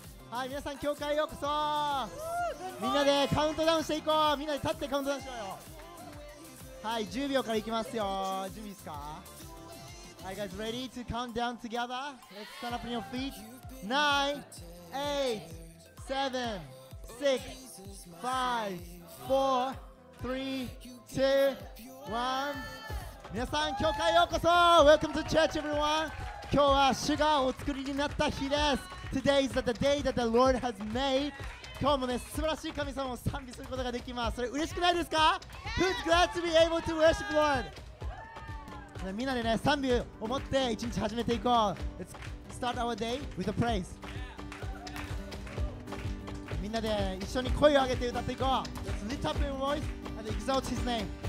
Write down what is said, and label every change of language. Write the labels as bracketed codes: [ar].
[ja] はい、皆さん教会へようこそ。みんなでカウントダウンしていこう。みんなで立ってカウントダウンしようよ。はい、10秒からいきますよ。準備ですか？ [en] Are you guys ready to count down together? Let's stand up on your feet. 9 8 7 6 5 4 3 2 1。 [ja] 皆さん、教会へようこそ。 [en] Welcome to church, everyone. [ja] 今日は主がお作りになった日です。 [en] Today is the day that the Lord has made. [ja] 今日もね、素晴らしい神様を賛美することができます。それ嬉しくないですか？ [en] Who's glad to be able to worship the Lord? [ja] みんなでね、賛美を持って一日始めていこう。 [en] Let's start our day with a praise. [ja] みんなで一緒に声を上げて歌っていこう。 [en] Let's lift up your voice and exalt his name.